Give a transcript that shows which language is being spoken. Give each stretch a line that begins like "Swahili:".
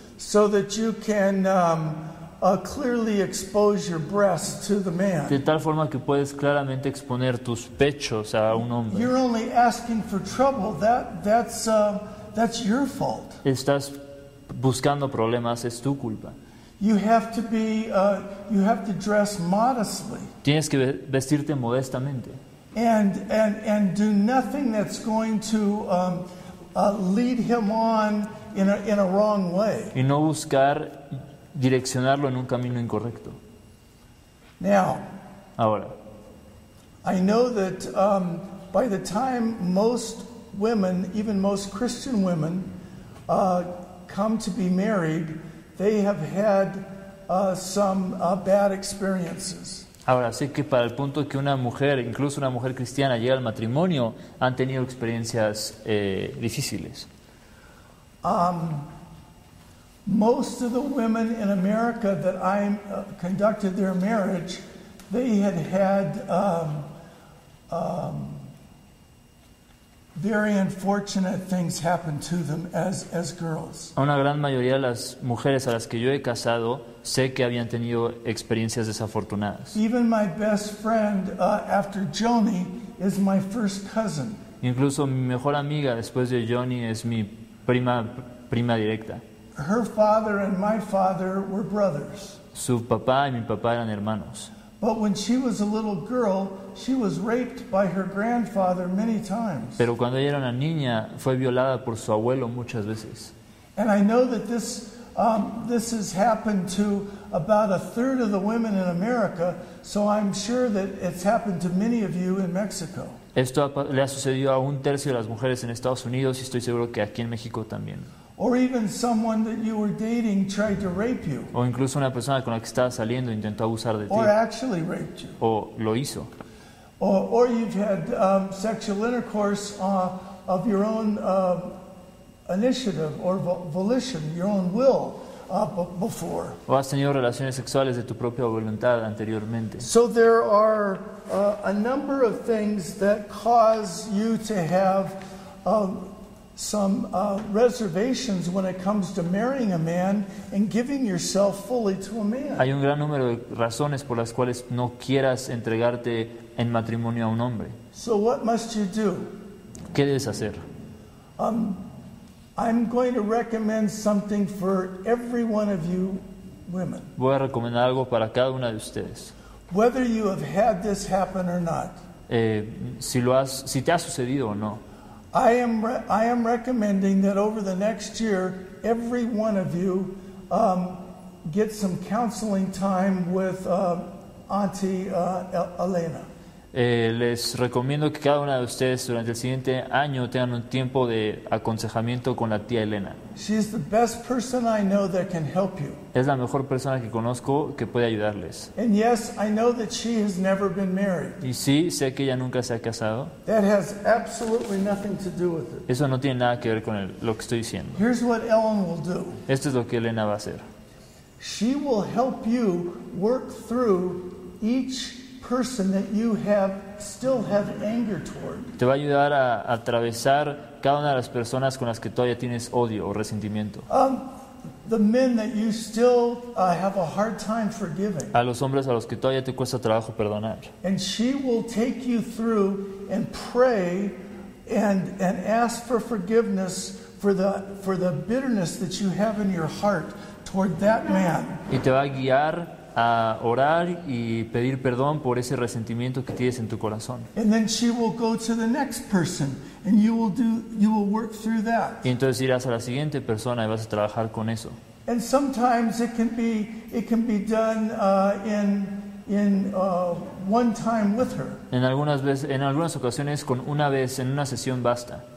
English: So that you can clearly expose your breasts to the man.
Spanish: De tal forma que puedes claramente exponer tus pechos a un hombre.
English: You're only asking for trouble. That's your fault.
Spanish: Estás buscando problemas, es tu culpa.
English: You have to be you have to dress modestly.
Spanish: Tienes que vestirte modestamente.
English: And do nothing that's going to lead him on in a wrong way.
Spanish: Y no buscar direccionarlo en un camino incorrecto.
English: Now,
Spanish: ahora,
English: I know that by the time most women, even most Christian women, come to be married, they have had bad experiences.
Spanish: Ahora, sé que para el punto que una mujer, incluso una mujer cristiana, llega al matrimonio, han tenido experiencias difíciles.
English: Most of the women in America that I conducted their marriage, they had had very unfortunate things happen to them as girls.
Spanish: Una gran mayoría de las mujeres a las que yo he casado sé que habían tenido experiencias desafortunadas.
English: Even my best friend after Joni is my first cousin.
Spanish: Incluso mi mejor amiga después de Joni es mi prima directa.
English: Her father and my father were brothers.
Spanish: Su papá y mi papá eran hermanos.
English: But when she was a little girl, she was raped by her grandfather many times.
Spanish: Pero cuando ella era una niña, fue violada por su abuelo muchas veces.
English: And I know that this has happened to about a third of the women in America, so I'm sure that it's happened to many of you in Mexico.
Spanish: Esto le ha sucedido a un tercio de las mujeres en Estados Unidos y estoy seguro que aquí en México también.
English: Or even someone that you were dating tried to rape you.
Spanish: O incluso una persona con la que estabas saliendo intentó abusar de ti.
English: Or actually raped you.
Spanish: O lo hizo.
English: Or you've had sexual intercourse of your own initiative or volition, your own will before.
Spanish: O has tenido relaciones sexuales de tu propia voluntad anteriormente.
English: So there are a number of things that cause you to have some reservations when it comes to marrying a man and giving yourself fully to a man.
Spanish: Hay un gran número de razones por las cuales no quieras entregarte en matrimonio a un hombre.
English: So what must you do?
Spanish: ¿Qué debes hacer?
English: I'm going to recommend something for every one of you women.
Spanish: Voy a recomendar algo para cada una de ustedes.
English: Whether you have had this happen or not.
Spanish: Si te ha sucedido o no.
English: I am recommending that over the next year, every one of you get some counseling time with Auntie Elena.
Spanish: Les recomiendo que cada una de ustedes durante el siguiente año tengan un tiempo de aconsejamiento con la tía Elena.
English: She's the best person I know that can help you.
Spanish: Es la mejor persona que conozco que puede ayudarles.
English: And yes, I know that she has never been married.
Spanish: Y sí, sé que ella nunca se ha casado.
English: That has absolutely nothing to do with it.
Spanish: Eso no tiene nada que ver con lo que estoy diciendo.
English: Here's what Ellen will do.
Spanish: Esto es lo que Elena va a hacer.
English: She will help you work through each person that you still have anger toward.
Spanish: Te va a ayudar a atravesar cada una de las personas con las que todavía tienes odio o resentimiento.
English: The men that you still have a hard time forgiving.
Spanish: A los hombres a los que todavía te cuesta trabajo perdonar.
English: And she will take you through and pray and ask for forgiveness for the bitterness that you have in your heart toward that man.
Spanish: Y te va a guiar a orar y pedir perdón por ese resentimiento que tienes en tu corazón.
English: And then she will go to the next person and you will work through that.
Spanish: Y entonces irás a la siguiente persona y vas a trabajar con eso.
English: And sometimes it can be done in one time with her.
Spanish: En algunas ocasiones con una vez en una sesión basta.